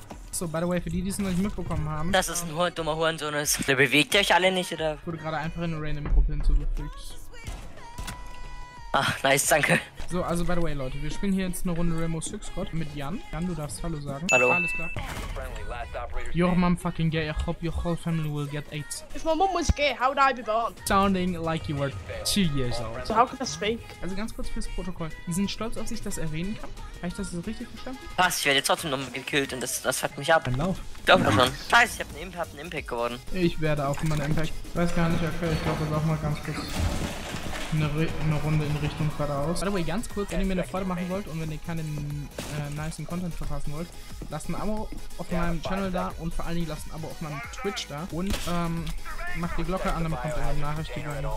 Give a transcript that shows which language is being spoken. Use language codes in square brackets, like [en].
[de] So, by the way, für die, die es noch nicht mitbekommen haben. Das ist ein dummer Hurensohn ist. Bewegt ihr euch alle nicht, oder? Ich wurde gerade einfach in eine random Gruppe hinzugefügt. Ach, nice, danke. So, also by the way, Leute, wir spielen hier jetzt eine Runde Rainbow Six Squad mit Jan. Jan, du darfst Hallo sagen. Hallo. Alles klar. [en] Your mom fucking gay, I hope your whole family will get AIDS. If my mom was gay, how would I be born? Sounding like you were 2 years old. So how could that speak? [de] Also ganz kurz fürs Protokoll. Die sind stolz, dass ich das erwähnen kann? Habe ich das so richtig verstanden? Was, ich werde jetzt trotzdem nochmal gekillt und das fuckt mich ab. Dann lauf. Glaub mir schon. Scheiße, ich hab einen Impact geworden. Ich werde auch immer einen Impact. Weiß gar nicht, okay, ich glaube, das auch mal ganz kurz. Eine Runde in Richtung geradeaus. By the way, ganz kurz, wenn ihr mir eine Freude machen wollt und wenn ihr keinen nicen Content verpassen wollt, lasst ein Abo auf meinem Channel da und vor allen Dingen lasst ein Abo auf meinem Twitch da und macht die Glocke an, dann kommt eine Nachricht, die rein.